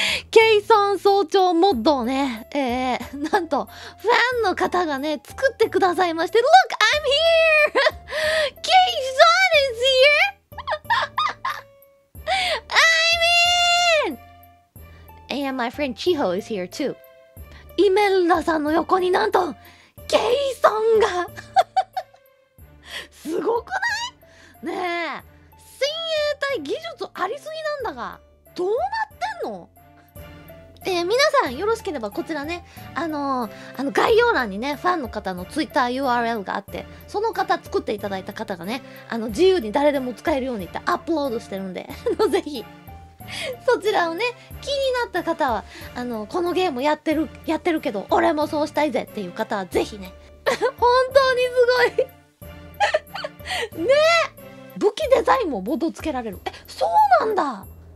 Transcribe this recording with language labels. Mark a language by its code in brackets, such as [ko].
[ja] ケイソン総長モッドをね、なんと、ファンの方がね、作ってくださいまして、 [en] Look, I'm here! ケイソン is here! I'm in! And my friend Chiho is here too. [ja] イメルダさんの横になんと、ケイソンがすごくない？ねえ、先鋭隊技術ありすぎなんだが、どうなってんの？皆さん、よろしければこちらね、概要欄にね、ファンの方のツイッター URL があって、その方作っていただいた方がね、自由に誰でも使えるようにってアップロードしてるんで、ぜひ、そちらをね、気になった方は、このゲームやってるけど、俺もそうしたいぜっていう方は、ぜひね、本当にすごいね、武器デザインもボードつけられる。そうなんだ。